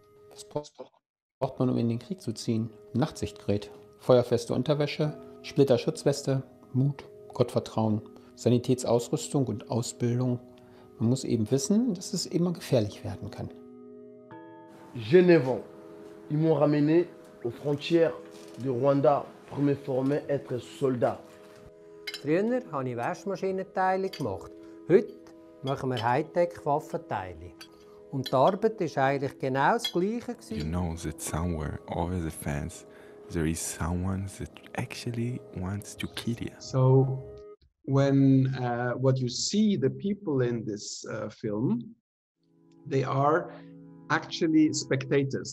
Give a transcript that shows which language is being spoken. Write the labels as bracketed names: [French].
[German] Was braucht man, um in den Krieg zu ziehen? Nachtsichtgerät, feuerfeste Unterwäsche, Splitterschutzweste, Mut, Gottvertrauen, Sanitätsausrüstung und Ausbildung. Man muss eben wissen, dass es immer gefährlich werden kann. Genevon. [French] Ils m'ont ramené aux frontières du Rwanda pour me former à être soldat. [German] Früher habe ich Waschmaschinenteile gemacht. Heute machen wir Hightech-Waffenteile. Und die Arbeit war eigentlich genau das Gleiche. [English] You know that somewhere over the fence there is someone that actually wants to kill you. So when what you see the people in this film, they are actually spectators.